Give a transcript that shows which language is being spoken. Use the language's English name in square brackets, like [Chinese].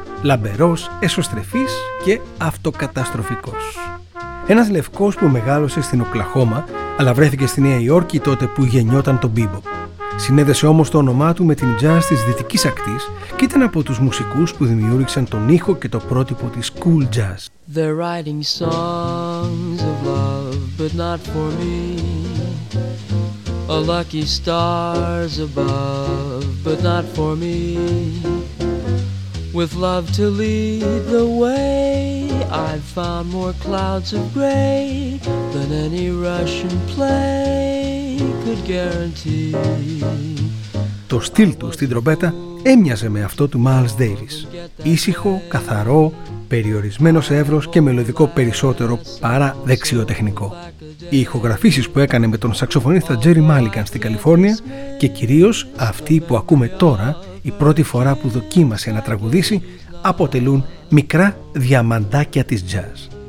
[Greek] Λαμπερός, εσωστρεφής και αυτοκαταστροφικός. Ένας λευκός που μεγάλωσε στην Οκλαχώμα, αλλά βρέθηκε στη Νέα Υόρκη τότε που γεννιόταν το bebop. Συνέδεσε όμως το όνομά του με την jazz της δυτικής ακτής και ήταν από τους μουσικούς που δημιούργησαν τον ήχο και το πρότυπο της cool jazz. [English] They're writing songs of love, but not for me. A lucky stars above, but not for me. With love to lead the way, I've found more clouds of gray than any Russian play could guarantee. [Greek] Το στυλ του στην τρομπέτα έμοιαζε με αυτό του Miles Davis. Ήσυχο, καθαρό, περιορισμένος εύρος και μελωδικό περισσότερο παρά δεξιοτεχνικό. Οι ηχογραφήσεις που έκανε με τον σαξοφωνίστα Jerry Mulligan στην Καλιφόρνια και κυρίως αυτή που ακούμε τώρα, η πρώτη φορά που δοκίμασε να τραγουδήσει, αποτελούν μικρά διαμαντάκια της jazz.